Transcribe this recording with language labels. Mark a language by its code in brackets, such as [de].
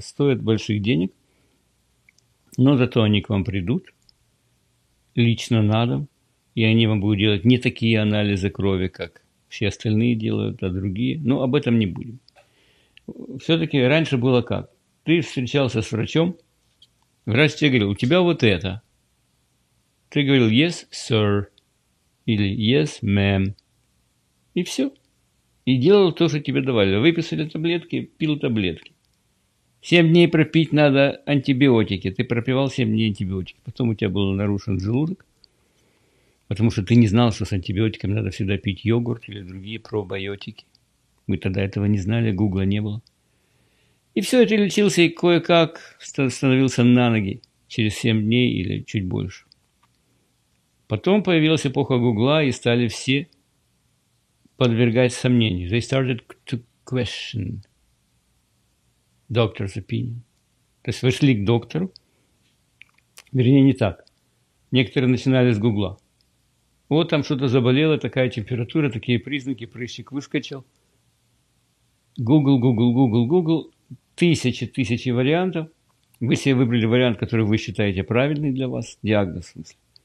[ru] Стоит больших денег, но зато они к вам придут лично на дом, и они вам будут делать не такие анализы крови, как все остальные делают, а другие. Но об этом не будем. Все-таки раньше было как? Ты встречался с врачом, врач тебе говорил, у тебя вот это. Ты говорил [en] «yes, sir» [ru] или [en] «yes, ma'am». [ru] И все. И делал то, что тебе давали. Выписали таблетки, пил таблетки. 7 дней пропить надо антибиотики. Ты пропивал 7 дней антибиотики. Потом у тебя был нарушен желудок, потому что ты не знал, что с антибиотиками надо всегда пить йогурт или другие пробиотики. Мы тогда этого не знали, гугла не было. И все, ты лечился и кое-как становился на ноги через 7 дней или чуть больше. Потом появилась эпоха гугла, и стали все подвергать сомнению. [en] They started to question doctor's opinion. [ru] То есть вышли к доктору. Вернее, не так. Некоторые начинали с гугла. Вот там что-то заболело, такая температура, такие признаки, прыщик выскочил. Google. Тысячи вариантов. Вы себе выбрали вариант, который вы считаете правильный для вас. Диагноз, в смысле.